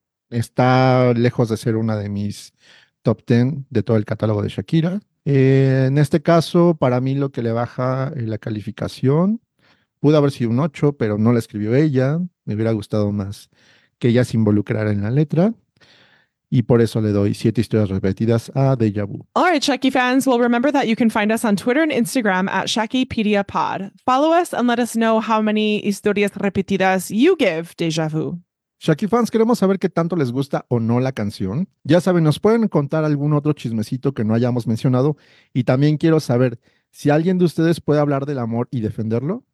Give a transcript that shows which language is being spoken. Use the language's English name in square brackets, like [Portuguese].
[Spanish] Está lejos de ser una de mis top 10 de todo el catálogo de Shakira. En este caso, para mí lo que le baja la calificación, pudo haber sido un 8, pero no la escribió ella. Me hubiera gustado más que ella se involucrara en la letra. Y por eso le doy 7 historias repetidas a Deja Vu. [English] All right, Shaki fans. Well, remember that you can find us on Twitter and Instagram at Shakipedia Pod. Follow us and let us know how many [Spanish] historias repetidas [English] you give Deja Vu. [Spanish] Shaki fans, queremos saber qué tanto les gusta o no la canción. Ya saben, nos pueden contar algún otro chismecito que no hayamos mencionado. Y también quiero saber si alguien de ustedes puede hablar del amor y defenderlo.